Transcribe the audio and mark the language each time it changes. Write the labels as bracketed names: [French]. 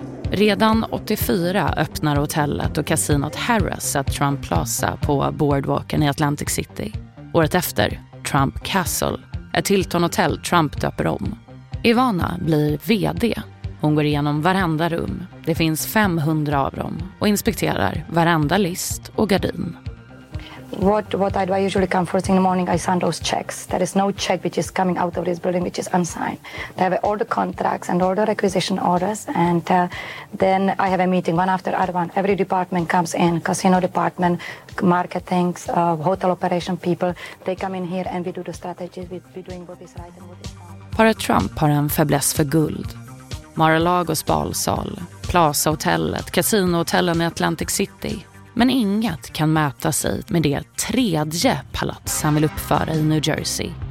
[Swedish] Redan 84 öppnar hotellet och kasinot Harrah's at Trump Plaza på boardwalken i Atlantic City. Året efter, Trump Castle, ett Hilton-hotell Trump döper om. Ivana blir vd. Hon går igenom varenda rum, det finns 500 av dem, och inspekterar varenda list och gardin. [English] What I do, I usually come first thing in the morning, I sign those checks. There is no check which is coming out of this building which is unsigned. They have all the contracts and all the requisition orders, and then I have a meeting one after other one. Every department comes in, casino department, marketing, hotel operation people, they come in here and we do the strategies, we doing what is right and what is wrong. [Swedish] Para Trump har en fäbless för guld. Mar-a-Lagos balsal, Plaza-hotellet, kasinohotellen i Atlantic City. Men inget kan mäta sig med det tredje palats han vill uppföra i New Jersey.